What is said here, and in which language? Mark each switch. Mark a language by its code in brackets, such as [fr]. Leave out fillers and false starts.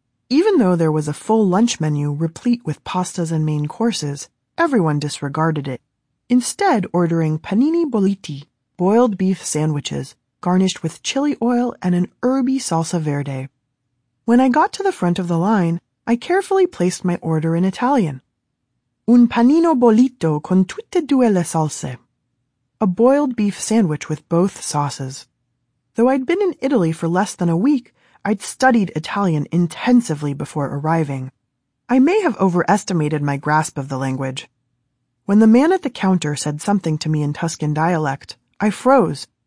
[en] Even though there was a full lunch menu replete with pastas and main courses, everyone disregarded it, instead ordering panini bolliti, boiled beef sandwiches, garnished with chili oil and an herby salsa verde. When I got to the front of the line, I carefully placed my order in Italian. [it] Un panino bollito con tutte e due le salse. [en] A boiled beef sandwich with both sauces. Though I'd been in Italy for less than a week, I'd studied Italian intensively before arriving. I may have overestimated my grasp of the language. When the man at the counter said something to me in Tuscan dialect, I froze.